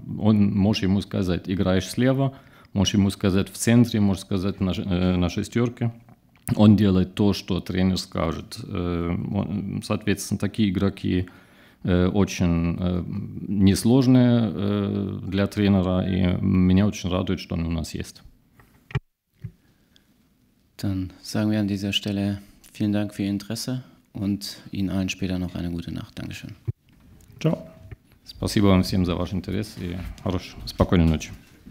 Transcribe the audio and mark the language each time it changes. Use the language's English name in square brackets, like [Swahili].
[Russian] Он может ему сказать, играешь слева, может ему сказать в центре, может сказать на шестерке. Он делает то, что тренер скажет. Соответственно, такие игроки очень несложные для тренера, и меня очень радует, что он у нас есть. [German] Dann sagen wir an dieser Stelle vielen Dank für Ihr Interesse. Und Ihnen allen später noch eine gute Nacht. Dankeschön. [Italian] Ciao. [Russian] Спасибо вам всем за ваш интерес и хорошую, спокойной ночи.